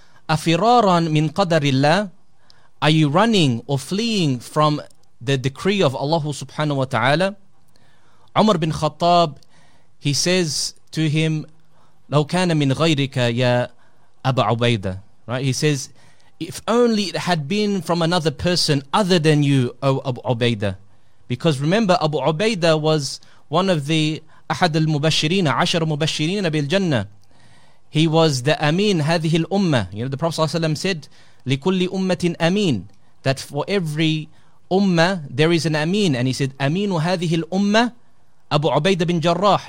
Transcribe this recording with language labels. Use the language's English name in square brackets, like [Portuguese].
[Arabic] أَفِرَارًا مِنْ قَدَرِ اللَّهِ. [English] Are you running or fleeing from the decree of Allah subhanahu wa ta'ala? Umar bin Khattab, he says to him, [Arabic] لَوْ كَانَ مِنْ غَيْرِكَ يَا أَبَا عُبَيْدَ. [English] Right? He says, if only it had been from another person other than you, O Abu Ubaidah. Because remember, Abu Ubaidah was one of the [Arabic] أحد المبشرين عشر مبشرين بالجنة. [English] He was the Amin [Arabic] هذه الأمة. [English] You know, the Prophet ﷺ said, [Arabic] لكل أمة أمين. [English] That for every Ummah there is an Amin. And he said, [Arabic] أمين هذه الأمة [English] Abu Ubaidah bin Jarrah.